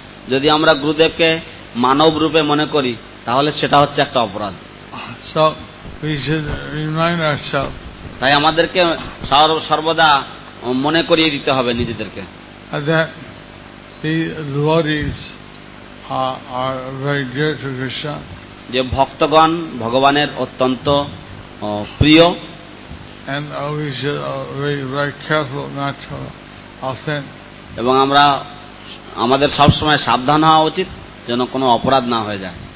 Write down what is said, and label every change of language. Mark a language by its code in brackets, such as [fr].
[bn] যদি আমরা গুরুদেবকে মানব রূপে মনে করি তাহলে সেটা হচ্ছে একটা অপরাধ। [en] We should remind ourselves. [bn] তাই আমাদেরকে সর্বদা মনে করিয়ে দিতে হবে নিজেদেরকে। [en] That the devotees are very dear to Krishna. [bn] যে ভক্তগণ ভগবানের অত্যন্ত প্রিয়। [en] And we should be very careful not to offend. [bn] এবং আমাদের সবসময় সাবধান হওয়া উচিত যেন কোনো অপরাধ না হয়ে যায়।